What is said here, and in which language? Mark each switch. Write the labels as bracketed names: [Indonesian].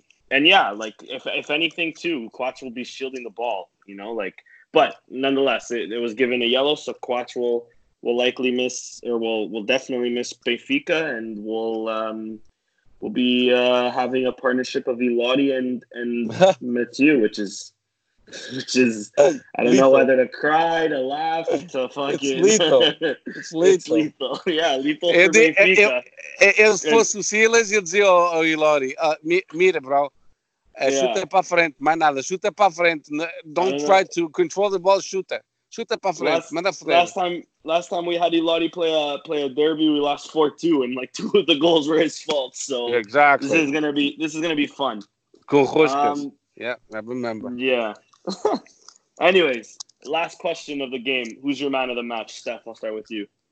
[English] If anything, too, Kwatch will be shielding the ball, you know, like, but nonetheless, it was given a yellow, so Kwatch will likely miss, or will definitely miss Benfica, and will be having a partnership of Ilori and Mathieu, which is, I don't know whether to cry, to laugh, to fucking... It's lethal. It's lethal. It's lethal. Yeah, lethal for Benfica. [Portuguese] Se fosse o Silas, eu dizia ao Ilori, mira, bro, chuta para frente, mais nada, chuta para frente. [English] Don't try to control the ball, [Portuguese] chuta. Chuta para frente, manda frente. [English] Last time we had Ilori play a derby, we lost 4-2, and like two of the goals were his fault. So exactly. This is going to be fun. [Portuguese] Com roscas. [English] Yeah, I remember. Yeah. Anyways, last question of the game. Who's your man of the match? Steph, I'll start with you.